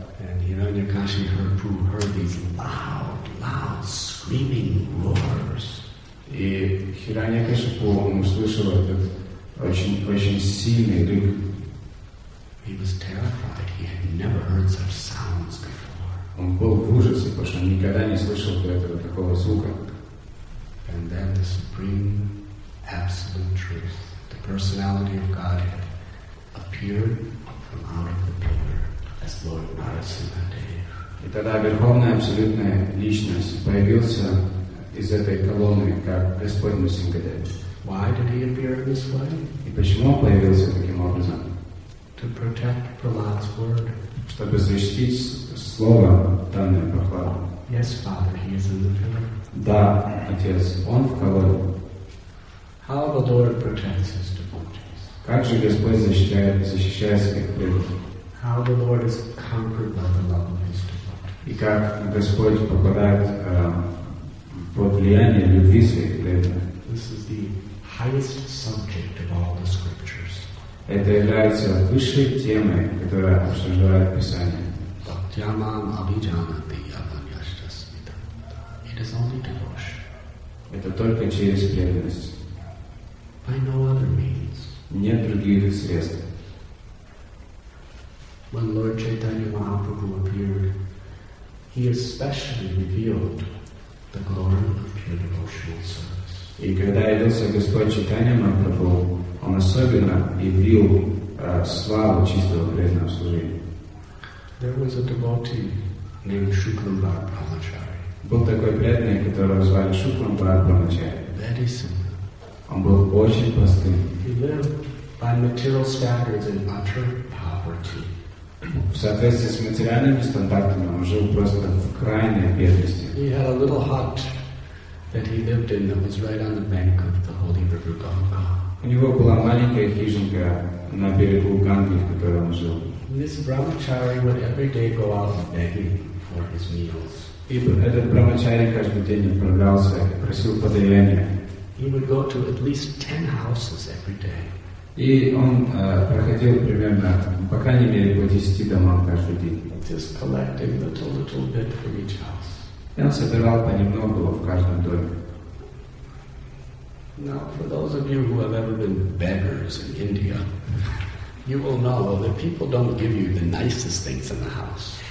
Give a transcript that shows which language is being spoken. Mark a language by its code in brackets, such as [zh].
[en] And Hiranyakashi heard these loud screaming roars. [ru] И Hiranyakashipu услышал этот очень сильный рык. [en] He was terrified. He had never heard such sounds before. [ru] Он был в ужасе, потому что никогда не слышал этого такого звука. [en] And then the supreme absolute truth, the personality of Godhead, appeared from out of the pillar as Lord Narasimha Dev. [ru] И тогда Верховная Абсолютная Личность появился из этой колонны, как Господь Нарасимхадев. [en] Why did he appear this way? [ru] И почему он появился таким образом? [en] To protect Prahlad's word. [ru] Чтобы защитить слово, данное Прахладу. [en] Yes, father, he is in the pillar. [ru] Да, отец, он в колонне. [en] How the Lord protects his devotees. [ru] Как же Господь защищает своих преданных? [en] How the Lord is conquered by the love of his devotees. [ru] И как Господь попадает под влияние любви своих преданных. [en] This is the highest subject of all the scriptures. [ru] Это является высшей темой, которая обсуждает Писание. [sa] Bhaktyamam abhijanati yavam yashta smitam. [en] It is only devotion. [ru] Это только через преданность. [en] By no other means. [ru] Нет других средств. [en] When Lord Chaitanya Mahaprabhu appeared, he especially revealed the glory of pure devotional service. [ru] И когда явился Господь Чайтанья Махапрабху, он особенно явил славу чистого преданного служения. [en] There was a devotee named Shuklambar Brahmachari. [ru] Был такой преданный, которого звали Шукламбар Брахмачари. [en] Very simple. [ru] Он был очень простым. [en] He lived by material standards in utter poverty. [ru] В соответствии с материальными стандартами он жил просто в крайней бедности. [en] He had a little hut that he lived in that was right on the bank of the holy river Ganga. [ru] У него была маленькая хижинка на берегу Ганги, в которой он жил. [en] This Brahmachari would every day go out begging for his meals. [ru] И этот Брахмачари каждый день отправлялся и просил подаяния. [en] He would go to at least 10 houses every day. [ru] И он проходил примерно, по крайней мере, по 10 домам каждый день. [en] Just collecting little bit for each house. [ru] И он собирал понемногу в каждом доме. [en] Now, for those of you who have ever been beggars in India, you will know that people don't give you the nicest things in the house.